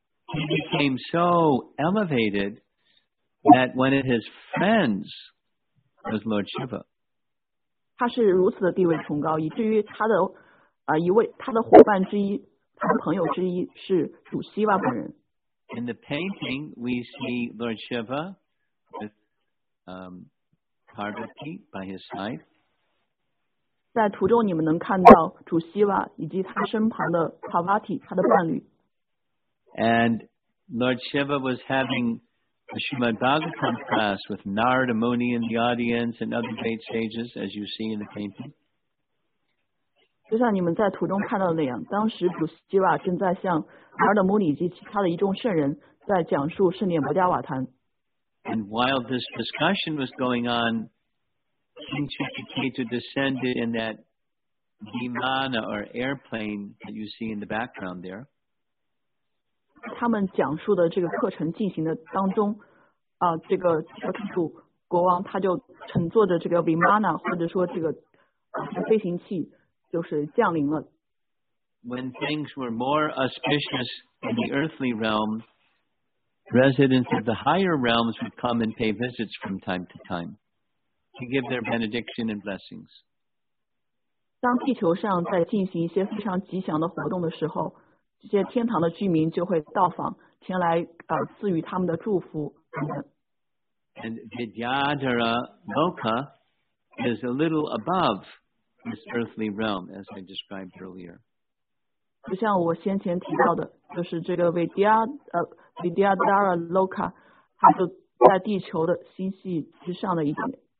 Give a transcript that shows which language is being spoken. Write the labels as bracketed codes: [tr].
[en] He became so elevated that one of his friends was Lord Shiva. [zh] 他是如此的地位崇高，以至于他的、一位他的伙伴之一。他的朋友之一是主希瓦本人。 [en] In the painting, we see Lord Shiva with Parvati by his side. [zh] 在图中你们能看到主希瓦以及他身旁的 Parvati, 他的伴侣。 [en] And Lord Shiva was having the Srimad Bhagavatam class with Narada Muni in the audience and other great sages, as you see in the painting. [zh] 就像你们在图中看到的那样，当时普斯基瓦正在向阿尔德摩尼及其他的一众圣人在讲述圣殿摩加瓦坛。 [en] And while this discussion was going on, King Chuchiketu descended in that vimana or airplane that you see in the background there. [zh] 他们讲述的这个课程进行的当中，这个Chuchiketu国王他就乘坐着这个 vimana 或者说这个飞行器就是降临了。 [en] When things were more auspicious in the earthly realm, residents of the higher realms would come and pay visits from time to time to give their benediction and blessings. [zh] 当地球上在进行一些非常吉祥的活动的时候，这些天堂的居民就会到访，前来赐予他们的祝福。 [en] And Vidyadhara Loka is a little above this earthly realm, as I described earlier. [zh] 就像我先前提到的，就是这个 Vidyadhara Loka， 它就在地球的星系之上的一点。